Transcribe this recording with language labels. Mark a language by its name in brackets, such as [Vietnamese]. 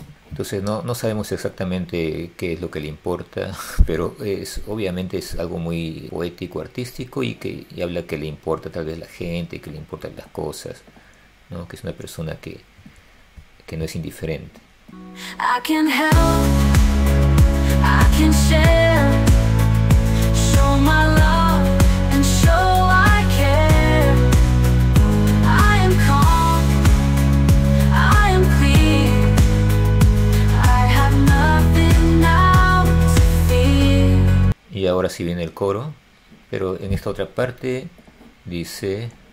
[Spanish] Entonces no sabemos exactamente qué es lo que le importa, pero obviamente es algo muy poético, artístico y habla que le importa tal vez la gente, que le importan las cosas, ¿no? Que es una persona que no es indiferente. [English] I can help, I can share, show my love and show I care. I am calm, I am clear, I have nothing now to fear. [Spanish] Y ahora sí viene el coro, pero en esta otra parte dice.